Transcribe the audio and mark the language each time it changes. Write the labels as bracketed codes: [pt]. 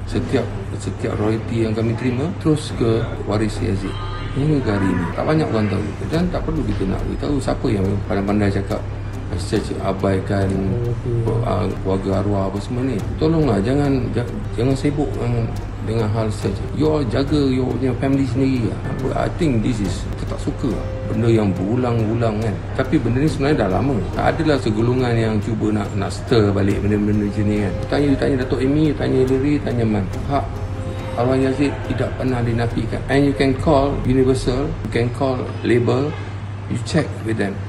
[ms] Setiap royalty yang kami terima terus ke waris Yazid. Ini hari ini tak banyak orang tahu dan tak perlu kita nak beritahu siapa yang pandai-pandai cakap saya abaikan keluarga arwah apa semua ni. Tolonglah jangan sibuk dengan hal saja. [en] You all [ms] jaga [en] your family [ms] sendiri. [en] But I think this is [ms] kita tak suka. Benda yang berulang-ulang kan. Tapi benda ni sebenarnya dah lama. Tak adalah segolongan yang cuba nak stir balik benda-benda macam ni kan. Tanya Dato' Amy, tanya Liri, tanya Man. Hak Arwah Yazid tidak pernah dinafikan. [en] And you can call Universal, you can call label, you check with them.